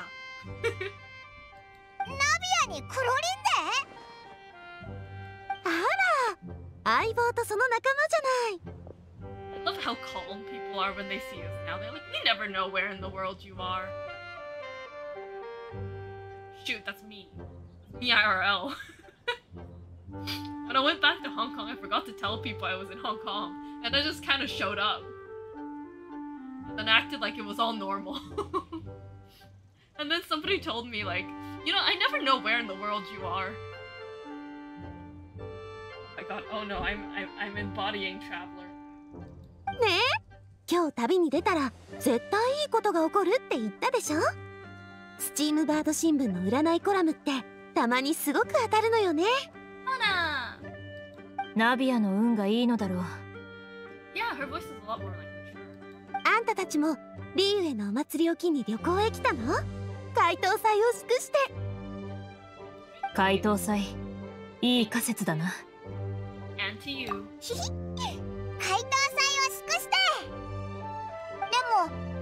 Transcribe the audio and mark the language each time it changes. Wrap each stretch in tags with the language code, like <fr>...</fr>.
<ja>Navia にクロリンで。あら、相棒とその仲間じゃない。</ja> <en>I love how calm people are when they see us now. They're like, we never know where in the world you are. Shoot, that's me. Me IRL. When I went back to Hong Kong, I forgot to tell people I was in Hong Kong. And I just kind of showed up. And then acted like it was all normal. And then somebody told me, like, you know, I never know where in the world you are. I got, oh no, I'm embodying traveler.</en> <ja>ね今日旅に出たら絶対いいことが起こるって言ったでしょ。スチームバード新聞の占いコラムってたまにすごく当たるのよね。ほな。ナビアの運がいいのだろう。</ja> <en>Yeah, her voice is a lot more like mature.</en> <ja>あんたたちもリーウェのお祭りを機に旅行へ来たの? 怪盗祭を祝して。怪盗祭、いい仮説だな。</ja> <en>And to you.</en> <ja>怪盗祭を祝して。</ja>